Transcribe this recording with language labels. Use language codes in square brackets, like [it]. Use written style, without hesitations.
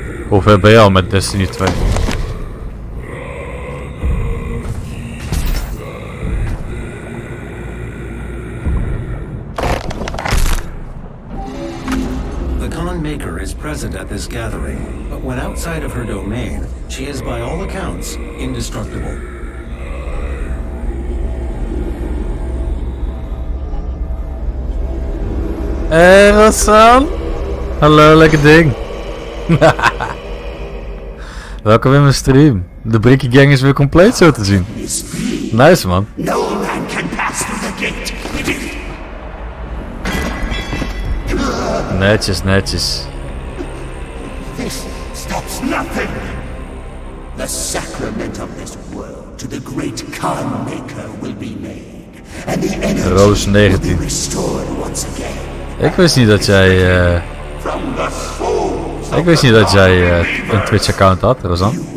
[nl] Hoe ver ben je al met Destiny 2? [en] The Khan Maker is present at this gathering, but when outside of her domain, she is by all accounts indestructible. Hey, [nl] Rassan! Hallo, lekker ding! Welkom in mijn stream. De Brikkie Gang is weer compleet zo te zien. [en] Nice man. No man can pass through the gate. It is... [nl] Netjes, netjes. [en] This stops nothing. The sacrament of this world to the great Khan Maker will be made. And the energy will be restored once again. [nl] Ik wist niet dat jij... Ik wist niet dat jij een Twitch-account had, Rosan.